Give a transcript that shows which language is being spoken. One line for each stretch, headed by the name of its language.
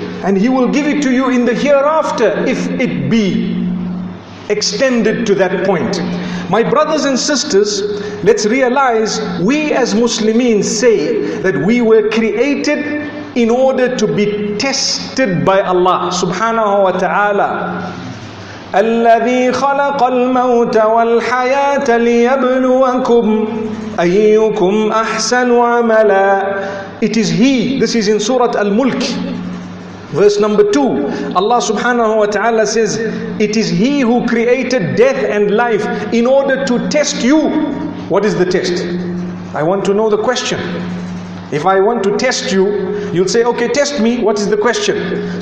English: And He will give it to you in the hereafter, if it be extended to that point. My brothers and sisters, let's realize, we as Muslims say that we were created in order to be tested by Allah subhanahu wa ta'ala.
Arabic: الذي خلق الموت والحياة ليبلوكم أيكم أحسن عملا.
English: It is He. This is in Surah Al-Mulk, verse number 2. Allah subhanahu wa ta'ala says, it is He who created death and life in order to test you. What is the test? I want to know the question. If I want to test you, you'll say, okay, test me, what is the question?